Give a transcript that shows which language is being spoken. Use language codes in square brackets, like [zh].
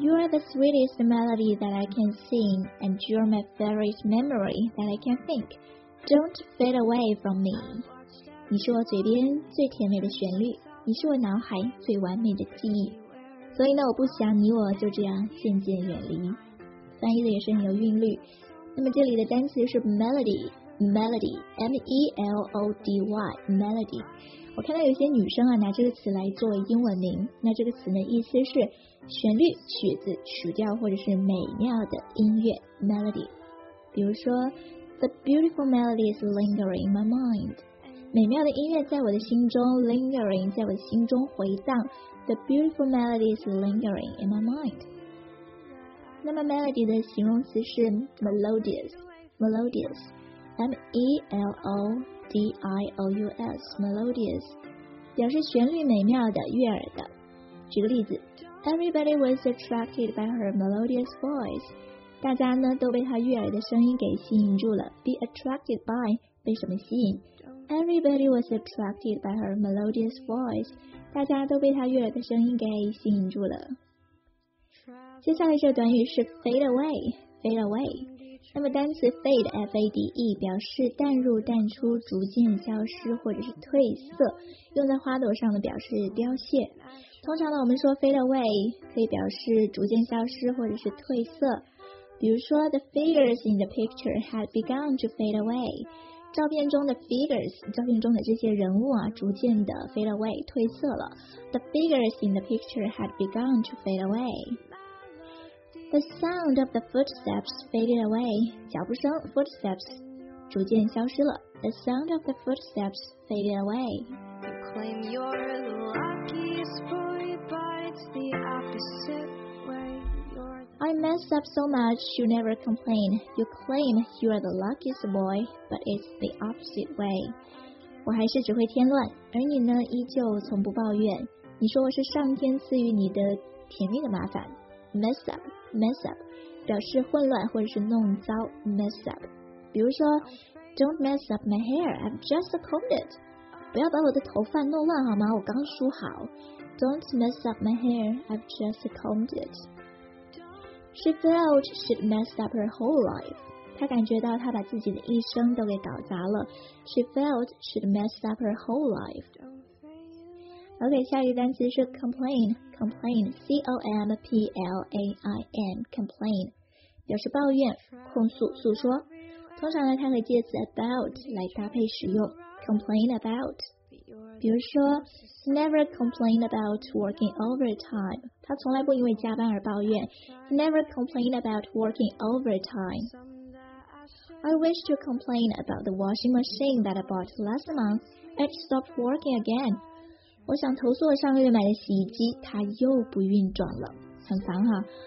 [en] The sweetest melody that I can sing, and you're my favorite memory that I can think. Don't fade away from me. [zh] 你是我嘴边最甜美的旋律，你是我脑海最完美的记忆。所以呢，我不想你我就这样渐渐远离。翻译的也是很有韵律。那么这里的单词是 melody, M-E-L-O-D-Y, melody。我看到有些女生啊拿这个词来作为英文名，那这个词的意思是旋律、曲子、曲调或者是美妙的音乐 melody。比如说 [en] The beautiful melody is lingering in my mind， [zh] 美妙的音乐在我的心中 lingering， 在我的心中回荡。 [en] The beautiful melody is lingering in my mind。 [zh] 那么 melody 的形容词是 melodious M-E-L-O-D-I-O-U-S melodious， 表示旋律美妙的、悦耳的。举个例子， [en] Everybody was attracted by her melodious voice， [zh] 大家呢都被她悦耳的声音给吸引住了。 [en] Be attracted by [zh] 被什么吸引？ [en] Everybody was attracted by her melodious voice， [zh] 大家都被她悦耳的声音给吸引住了。接下来这个短语是 fade away， fade away。那么单词 fade F-A-D-E 表示淡入、淡出、逐渐消失或者是褪色，用在花朵上的表示凋谢。通常呢，我们说 fade away 可以表示逐渐消失或者是褪色。比如说 [en] The figures in the picture had begun to fade away， [zh] 照片中的 figures， 照片中的这些人物啊逐渐的 fade away 褪色了。 [en] The figures in the picture had begun to fade away。 The sound of the footsteps faded away. [zh] 脚步声 footsteps 逐渐消失了。 [en] The sound of the footsteps faded away. You claim you're the luckiest boy, but it's the opposite way. I messed up so much, you never complain. You claim you're the luckiest boy, but it's the opposite way. [zh] 我还是只会添乱，而你呢，依旧从不抱怨。你说我是上天赐予你的甜蜜的麻烦。 Mess up, 表示混乱或者是弄糟。 Mess up, 比如说。 [en] Don't mess up my hair, I've just combed it. [zh] 不要把我的头发弄乱好吗？我刚梳好。 [en] Don't mess up my hair, I've just combed it. She felt she'd messed up her whole life. [zh] 她感觉到她把自己的一生都给搞砸了。 [en] She felt she'd messed up her whole life. [zh] OK, 下一个单词是 complain, C-O-M-P-L-A-I-N, complain, 表示抱怨、控诉、诉说。通常呢，它和介词 about 来搭配使用 ，complain about。比如说 [en] ，never complain about working overtime。 [zh] 他从来不因为加班而抱怨 ， [en] never complain about working overtime。 I wish to complain about the washing machine that I bought last month. It stopped working again。 [zh] 我想投诉我上个月买的洗衣机，它又不运转了，很烦哈。